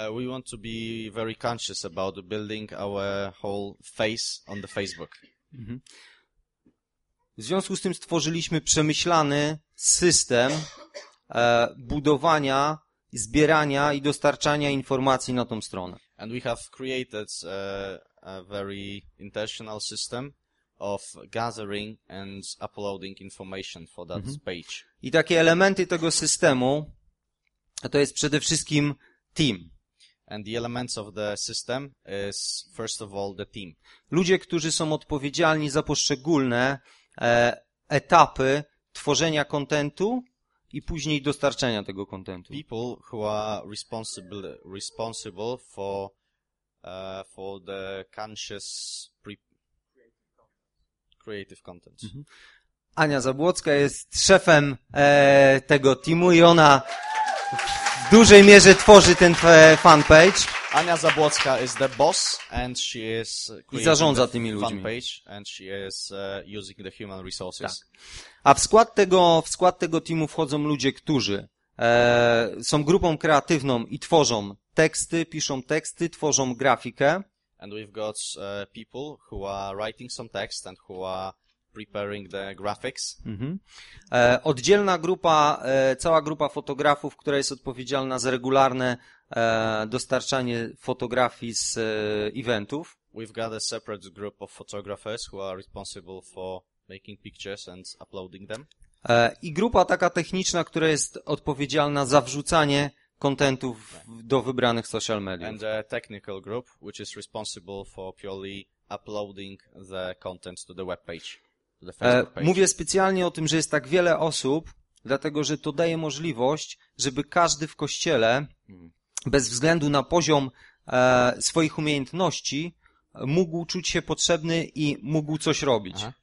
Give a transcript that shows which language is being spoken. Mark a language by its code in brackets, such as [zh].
[en] We want to be very conscious about building our whole face on the Facebook. [pl] W związku z tym stworzyliśmy przemyślany system budowania, zbierania i dostarczania informacji na tą stronę. [en] And we have created a very intentional system of gathering and uploading information for that page. [pl] I takie elementy tego systemu to jest przede wszystkim team. [en] And the elements of the system is first of all the team. [pl] Ludzie, którzy są odpowiedzialni za poszczególne etapy tworzenia kontentu i później dostarczania tego kontentu. [en] People who are responsible for the conscious creative content. [pl] Ania Zabłocka jest szefem tego teamu i ona w dużej mierze tworzy ten fanpage. [en] Ania Zabłocka is the boss and she is creating [pl] i zarządza tymi [en] the [pl] ludźmi. [en] Fanpage and she is using the human resources. [pl] Tak. A w skład tego teamu wchodzą ludzie, którzy są grupą kreatywną i tworzą teksty, piszą teksty, tworzą grafikę. [en] And we've got people who are writing some text and who are preparing the graphics. [pl] Oddzielna grupa, cała grupa fotografów, która jest odpowiedzialna za regularne dostarczanie fotografii z eventów. [en] We've got a separate group of photographers who are responsible for making pictures and uploading them. [pl] I grupa taka techniczna, która jest odpowiedzialna za wrzucanie kontentów do wybranych social mediów. [en] And a technical group, which is responsible for purely uploading the content to the webpage. [pl] Mówię specjalnie o tym, że jest tak wiele osób, dlatego że to daje możliwość, żeby każdy w kościele, bez względu na poziom swoich umiejętności, mógł czuć się potrzebny i mógł coś robić.